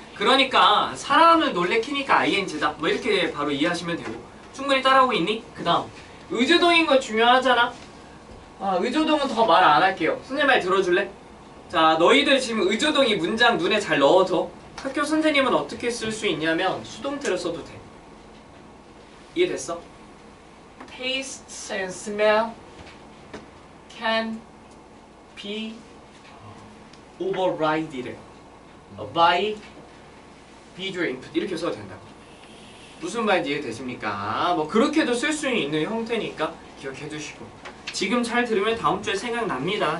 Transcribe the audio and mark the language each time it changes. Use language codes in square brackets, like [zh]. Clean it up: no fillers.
[ko] 그러니까 사람을 놀래키니까 ing다. 뭐 이렇게 바로 이해하시면 되고. 충분히 따라오고 있니? 그 다음 의조동인 거 중요하잖아. 아, 의조동은 더 말 안 할게요. 선생님 말 들어줄래? 자, 너희들 지금 의조동이 문장 눈에 잘 넣어둬. 학교 선생님은 어떻게 쓸 수 있냐면 수동태를 써도 돼. 이해됐어? [en] Tastes and smell can be overrided by visual input. [ko] 이렇게 써도 된다고. 무슨 말인지 이해되십니까? 뭐 그렇게도 쓸 수 있는 형태니까 기억해 두시고 지금 잘 들으면 다음 주에 생각납니다.